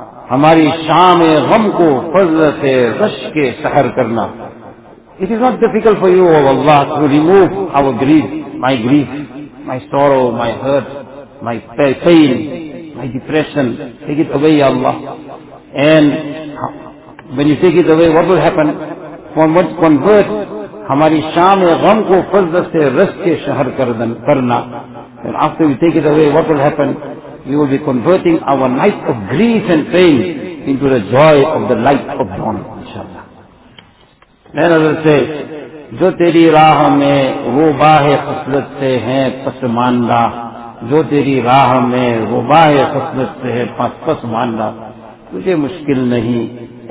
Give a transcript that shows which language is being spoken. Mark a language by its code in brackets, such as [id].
[ur] ہماری شام غم کو فضل سے رشک سحر کرنا. [en] It is not difficult for you, O Allah, to remove our grief, my sorrow, my hurt, my pain, my depression. Take it away, Ya Allah. And when you take it away, what will happen? From what convert [ur] ہماری شام غم کو فضل سے رشک سحر کرنا. [en] And after we take it away, what will happen? We will be converting our night of grief and pain into the joy of the light of dawn, inshallah. Then Allah says, [ur] جو تیری راہ میں روباہ خصلت سے ہیں پس ماندہ. جو تیری راہ میں روباہ خصلت سے ہیں پس ماندہ. تجھے مشکل نہیں